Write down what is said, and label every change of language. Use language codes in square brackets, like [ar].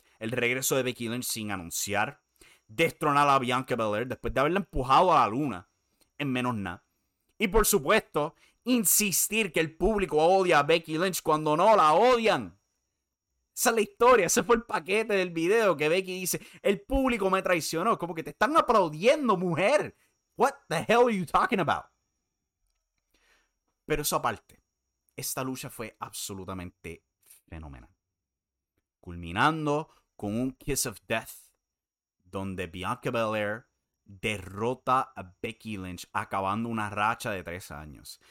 [es] El regreso de Becky Lynch sin anunciar. Destronar a Bianca Belair después de haberla empujado a la luna. En menos nada. Y por supuesto, insistir que el público odia a Becky Lynch cuando no la odian. Esa es la historia, ese fue el paquete del video que Becky dice, el público me traicionó, como que te están aplaudiendo, mujer. [en] What the hell are you talking about? [es] Pero eso aparte, esta lucha fue absolutamente fenomenal. Culminando con un Kiss of Death, donde Bianca Belair derrota a Becky Lynch, acabando una racha de 3 años.